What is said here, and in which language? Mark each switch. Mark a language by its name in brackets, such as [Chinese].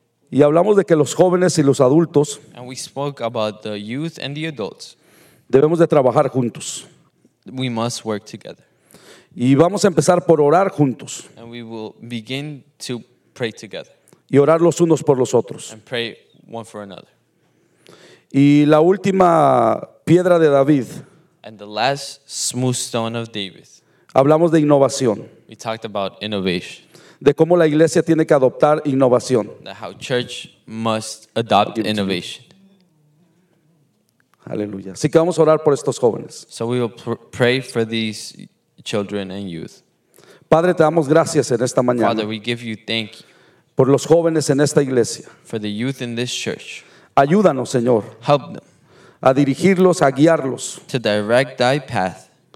[Spanish] Y hablamos de que los jóvenes y los adultos, [English] and we spoke about the youth and the adults, [Spanish] debemos de trabajar juntos. [English] We must work together. [Spanish] Y vamos a empezar por orar juntos. [English] And we will begin to pray together. [Spanish] Y orar los unos por los otros. [English] And pray one for another. [Spanish] Y la última piedra de David. [English] And the last smooth stone of David. [Spanish] Hablamos de innovación. [English] We talked about innovation. [Spanish] De cómo la iglesia tiene que adoptar innovación. [English] How church must adopt innovation. [Spanish] Aleluya. Así que vamos a orar por estos jóvenes. [English] So we will pray for these children and youth. [Spanish] Padre, te damos gracias en esta mañana. [English] Father, we give you thank you. [Spanish] Por los jóvenes en esta iglesia. [English] For the youth in this church. [Spanish] Ayúdanos, Señor. [English] Help them. [Spanish] A dirigirlos, a guiarlos. [English] To direct thy path.